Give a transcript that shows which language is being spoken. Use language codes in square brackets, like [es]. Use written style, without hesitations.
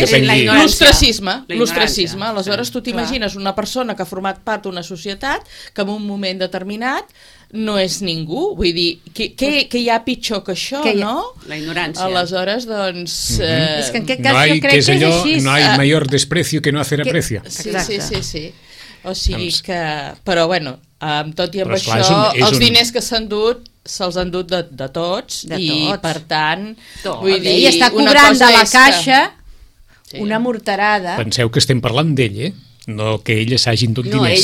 [ca] és l'ostracisme. Aleshores, sí, tu t'imagines clar. Una persona que ha format part d'una societat que en un moment determinat no és ningú, vull dir, què hi ha pitjor que això, que ha, no? La ignorància. Aleshores, doncs... Mm-hmm. És que en aquest cas no hay, jo crec que és allò, així. [es] No hay mayor desprecio que no hacer aprecio. [ca] Sí. O sigui doncs... que... Però, bueno, amb tot i amb però, esclar, això, els diners que s'han dut, se'ls han dut de tots, de i tots. Per tant... Tot. Vull dir, i està cobrant de la caixa que... una morterada. Penseu que estem parlant d'ell, eh? No que ella s'hagin dut diners.